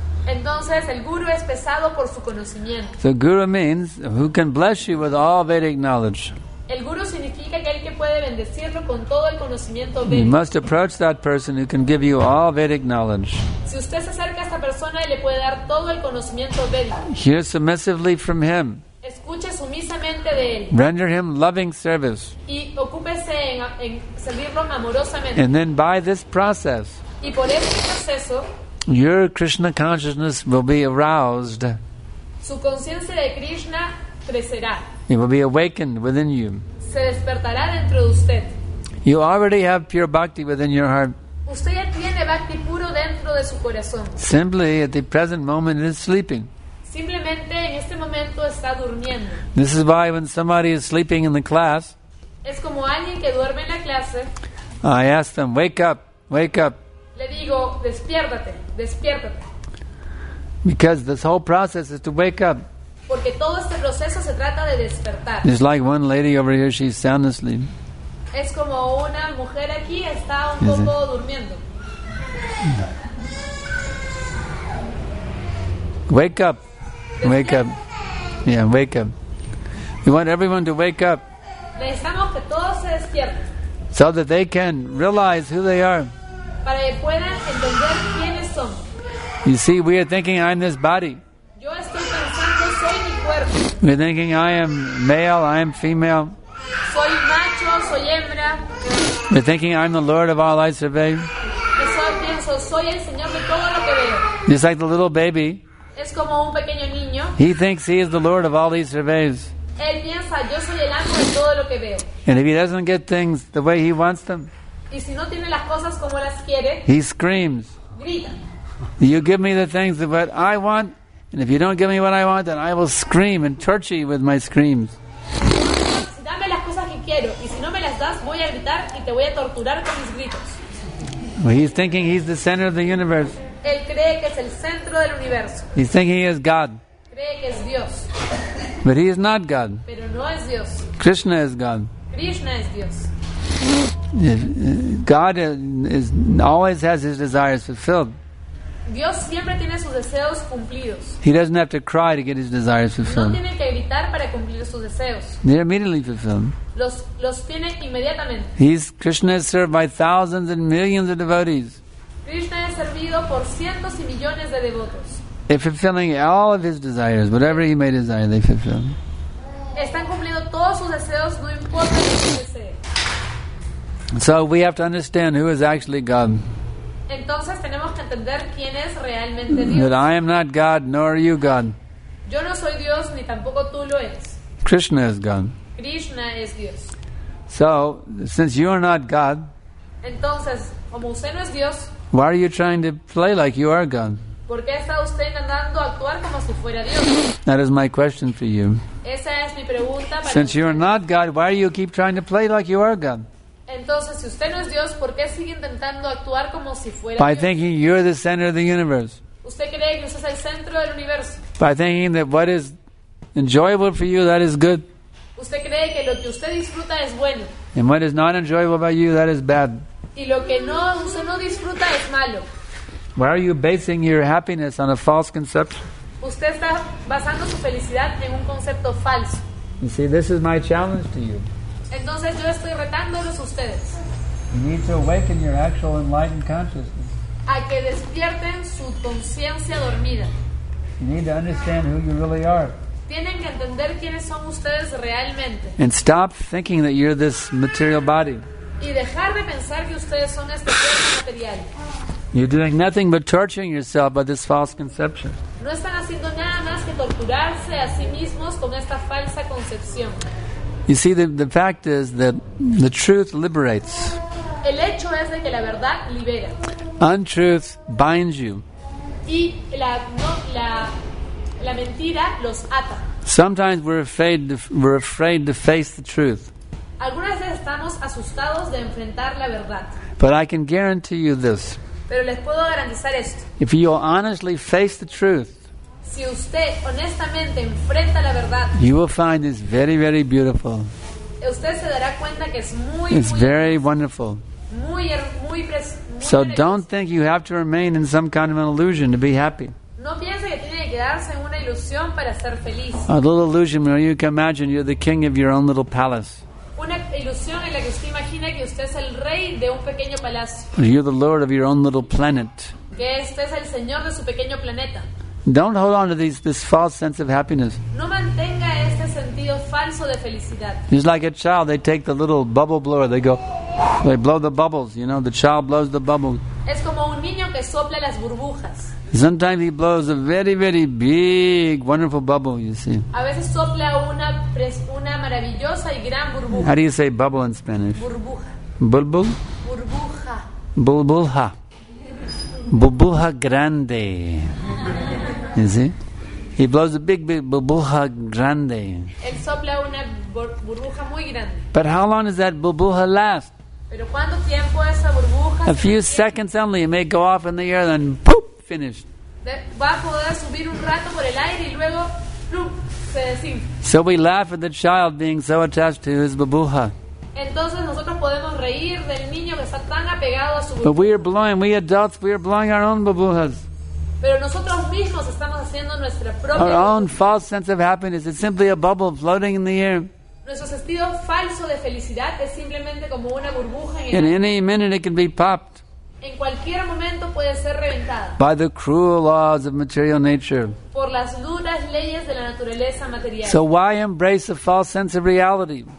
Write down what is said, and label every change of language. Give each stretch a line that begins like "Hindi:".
Spanish: Entonces el guru es pesado por su conocimiento.
English: So guru means who can bless you with all Vedic knowledge.
Spanish: El guru significa aquel que puede bendecirlo con todo el conocimiento Vedic.
English: You must approach that person who can give you all Vedic knowledge.
Spanish: Si usted se acerca a esta persona y le puede dar todo el conocimiento Vedic.
English: Hear submissively from him.
Spanish: Escuche sumisamente de él.
English: Render him loving service.
Spanish: Y ocúpese en servirlo amorosamente.
English: And then by this process.
Spanish: Y por este proceso.
English: Your Krishna consciousness will be aroused.
Spanish: Su conciencia de Krishna crecerá.
English: It will be awakened within you.
Spanish: Se despertará dentro de usted.
English: You already have pure bhakti within your heart.
Spanish: Usted ya tiene bhakti puro dentro de su corazón.
English: Simply at the present moment it is sleeping.
Spanish: Simplemente en este momento está durmiendo.
English: This is why when somebody is sleeping in the class,
Spanish: es como alguien que duerme en la clase,
English: I ask them, wake up, wake up.
Spanish: Le digo, despiértate, despiértate.
English: Because this whole process is to wake up.
Spanish: Porque todo este proceso se trata de despertar.
English: It's like one lady over here, she's sound asleep.
Spanish: Es como una mujer aquí, está un poco durmiendo.
English: Wake up. Wake up. Yeah, wake up. We want everyone to wake up.
Spanish: Necesitamos que todos se despierten.
English: So that they can realize who they are.
Spanish: Para que puedan entender quiénes son.
English: You see, we are thinking I'm this body.
Spanish: Yo estoy pensando, soy mi cuerpo.
English: We're thinking I am male, I am female.
Spanish: Soy macho, soy hembra.
English: We're thinking I'm the Lord of all I survey.
Spanish: Eso pienso, soy el señor de todo lo que veo.
English: Just like the little baby.
Spanish: Es como un pequeño niño.
English: He thinks he is the Lord of all he surveys.
Spanish: Él piensa, yo soy el amo de todo lo que veo.
English: And if he doesn't get things the way he wants them,
Spanish: y si no tiene las cosas como las quiere,
English: he screams.
Spanish: Grita.
English: You give me the things that I want, and if you don't give me what I want, then I will scream and torture you with my screams.
Spanish: Si dame las cosas que quiero, y si no me las das, voy a gritar y te voy a torturar con mis gritos.
English: Well, he's thinking he's the center of the universe.
Spanish: Él cree que es el centro del universo.
English: He's thinking he is God.
Spanish: Cree que es Dios.
English: But he is not God.
Spanish: Pero no es Dios.
English: Krishna is God.
Spanish: Krishna es Dios.
English: God is always has his desires fulfilled.
Spanish: Dios siempre tiene sus deseos cumplidos.
English: He doesn't have to cry to get his desires fulfilled.
Spanish: No tiene que gritar para cumplir sus deseos.
English: They're immediately fulfilled.
Spanish: Los tiene inmediatamente.
English: Krishna is served by thousands and millions of devotees.
Spanish: Krishna es servido por cientos y millones de devotos.
English: They're fulfilling all of his desires, whatever he may desire, they fulfill.
Spanish: Están cumpliendo todos sus deseos, no importa lo que desee.
English: So we have to understand who is actually God.
Spanish: Entonces tenemos que entender quién es realmente Dios.
English: That I am not God, nor are you God.
Spanish: Yo no soy Dios, ni tampoco tú lo eres.
English: Krishna is God.
Spanish: Krishna es Dios.
English: So, since you are not God,
Spanish: entonces, como usted no es Dios,
English: why are you trying to play like you are God?
Spanish: ¿Por qué está usted intentando actuar como si fuera Dios?
English: That is my question for you.
Spanish: Esa es mi pregunta para
English: Since you are not God, why do you keep trying to play like you are God?
Spanish: Entonces, si usted no es Dios, ¿por qué sigue intentando actuar como si fuera
English: By
Spanish: Dios?
English: Thinking you're the center of the universe.
Spanish: ¿Usted cree que usted es el centro del universo?
English: By thinking that what is enjoyable for you, that is good.
Spanish: ¿Usted cree que lo que usted disfruta es bueno?
English: And what is not enjoyable about you, that is bad.
Spanish: Y lo que no, usted no disfruta es malo.
English: Why are you basing your happiness on a false conception?
Spanish: Usted está basando su felicidad en un concepto falso.
English: You see, this is my challenge to you.
Spanish: Entonces yo estoy retándolos a ustedes.
English: You need to awaken your actual enlightened consciousness.
Spanish: A que despierten su conciencia dormida.
English: You need to understand who you really are.
Spanish: Tienen que entender quiénes son ustedes realmente.
English: And stop thinking that you're this material body.
Spanish: Y dejar de pensar que ustedes son este cuerpo material.
English: You're doing nothing but torturing yourself by this false conception.
Spanish: No están haciendo nada más que torturarse a sí mismos con esta falsa concepción.
English: You see, the fact is that the truth liberates.
Spanish: El hecho es de que la verdad libera.
English: Untruth binds you.
Spanish: Y la mentira los ata.
English: Sometimes we're afraid to face the truth.
Spanish: Algunas veces estamos asustados de enfrentar la verdad.
English: But I can guarantee you this.
Spanish: Pero les puedo garantizar esto.
English: If you honestly face the truth,
Spanish: si usted honestamente enfrenta la verdad,
English: you will find it's very, very beautiful.
Spanish: Usted se dará cuenta que es muy,
English: it's
Spanish: muy
English: very wonderful.
Spanish: Muy, muy
English: so don't think you have to remain in some kind of an illusion to be happy.
Spanish: No piense que tiene que quedarse en una ilusión para ser feliz.
English: A little illusion where you can imagine you're the king of your own little palace.
Spanish: Una ilusión en la que usted imagina que usted es el rey de un pequeño palacio.
English: You're the lord of your own little planet.
Spanish: Que usted es el señor de su pequeño planeta.
English: Don't hold on to this false sense of happiness.
Spanish: No mantenga este sentido falso de felicidad.
English: It's like a child, they take the little bubble blower, they go, they blow the bubbles, you know, the child blows the bubbles.
Spanish: Es como un niño que sopla las burbujas.
English: Sometimes he blows a very, very big, wonderful bubble, you see.
Spanish: A veces sopla una maravillosa y gran burbuja.
English: How do you say bubble in Spanish?
Spanish: Burbuja. Bulbul? Burbuja. Bulbulja. Burbuja grande.
English: You see? He blows a big, big
Spanish: burbuja grande. Él sopla una burbuja muy grande.
English: But how long does that burbuja last?
Spanish: Pero ¿cuánto tiempo esa burbuja?
English: A few seconds only. It may go off in the air, then poop, finished.
Spanish: Va a poder subir un rato por el aire y luego, plum, se desinfla.
English: So we laugh at the child being so attached to his burbuja.
Spanish: Entonces nosotros podemos reír del niño que está tan apegado a su burbuja.
English: But we are blowing, we adults, we are blowing our own burbujas.
Spanish: Pero nosotros mismos estamos haciendo nuestra propia
English: our burbuja. Own false sense of happiness. It's simply a bubble floating in the air.
Spanish: Nuestro sentido falso de felicidad es simplemente como una burbuja en el
English: in
Spanish: aire.
English: Any minute it can be popped.
Spanish: En cualquier momento puede ser reventada.
English: By the cruel laws of material nature.
Spanish: Por las duras leyes de la naturaleza material.
English: So why embrace a false sense of reality?